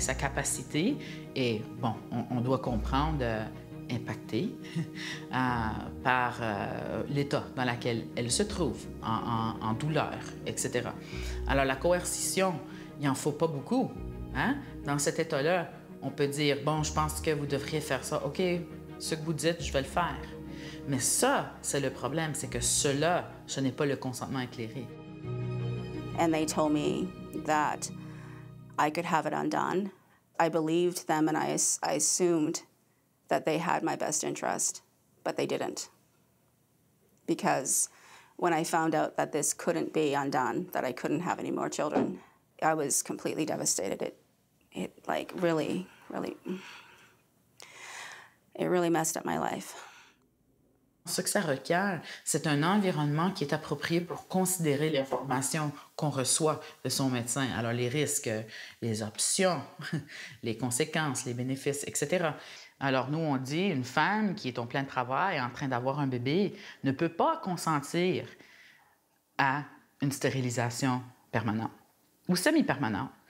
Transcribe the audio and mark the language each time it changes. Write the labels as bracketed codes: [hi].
[fr] Sa capacité est, bon, on doit comprendre, impactée par l'état dans lequel elle se trouve, en douleur, etc. Alors, la coercition, il n'en faut pas beaucoup. Hein? Dans cet état-là, on peut dire, bon, je pense que vous devriez faire ça. OK, ce que vous dites, je vais le faire. Mais ça, c'est le problème, c'est que cela, ce n'est pas le consentement éclairé. [en] And they told me that I could have it undone. I believed them and I assumed that they had my best interest, but they didn't. Because when I found out that this couldn't be undone, that I couldn't have any more children, I was completely devastated. It like really, really, it really messed up my life. [fr] Ce que ça requiert, c'est un environnement qui est approprié pour considérer l'information qu'on reçoit de son médecin. Alors, les risques, les options, les conséquences, les bénéfices, etc. Alors, nous, on dit une femme qui est en plein travail, en train d'avoir un bébé, ne peut pas consentir à une stérilisation permanente ou semi-permanente.